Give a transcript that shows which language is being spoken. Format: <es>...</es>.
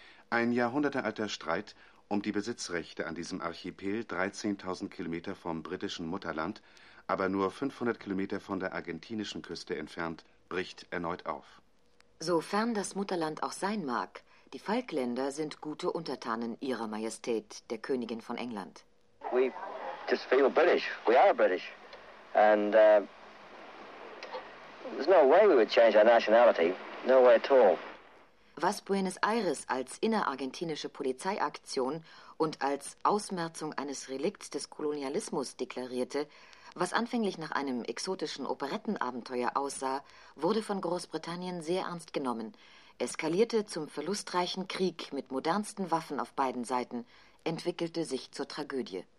<de>Ein jahrhundertealter Streit um die Besitzrechte an diesem Archipel, 13.000 Kilometer vom britischen Mutterland, aber nur 500 Kilometer von der argentinischen Küste entfernt, bricht erneut auf. Sofern das Mutterland auch sein mag, die Falkländer sind gute Untertanen ihrer Majestät, der Königin von England.</de> <en>We just feel British. We are British. And there's no way we would change our nationality. No way at all.</en> <de>Was Buenos Aires als innerargentinische Polizeiaktion und als Ausmerzung eines Relikts des Kolonialismus deklarierte, was anfänglich nach einem exotischen Operettenabenteuer aussah, wurde von Großbritannien sehr ernst genommen, eskalierte zum verlustreichen Krieg mit modernsten Waffen auf beiden Seiten, entwickelte sich zur Tragödie.</de>